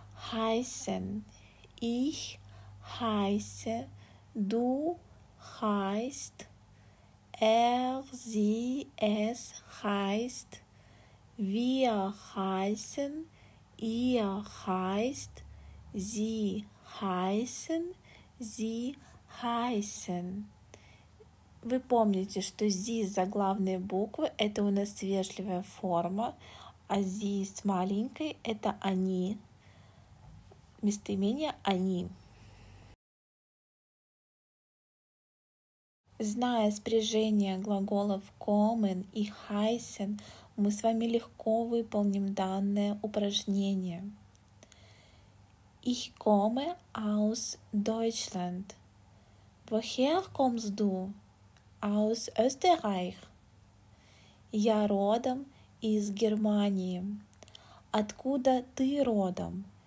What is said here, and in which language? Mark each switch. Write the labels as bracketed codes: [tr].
[de] Heißen, ich heiße, du heißt, sie, es heißt, wir heißen, ihr heißt, sie heißen, sie heißen. [ru] Вы помните, что sie за главные буквы — это у нас вежливая форма, а sie с маленькой — это они, местоимение они. Зная спряжение глаголов kommen и heißen, мы с вами легко выполним данное упражнение. [de] Ich komme aus Deutschland. Woher kommst du? Aus Österreich. [ru] Я родом из Германии. Откуда ты родом?